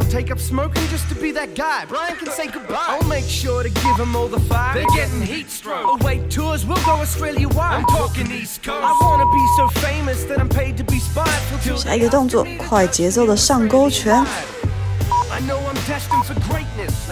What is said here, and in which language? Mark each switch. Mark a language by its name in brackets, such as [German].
[English] I'll take up smoking just to be that guy. Brian can say goodbye. I'll make sure to give him all the fire. They're getting heat stroke. Await tours, we'll go Australia wide. I'm talking East Coast. I wanna be so famous that I'm paid to be spied. [Chinese] 下一个动作，快节奏的上勾拳。 [English] I know I'm destined for greatness.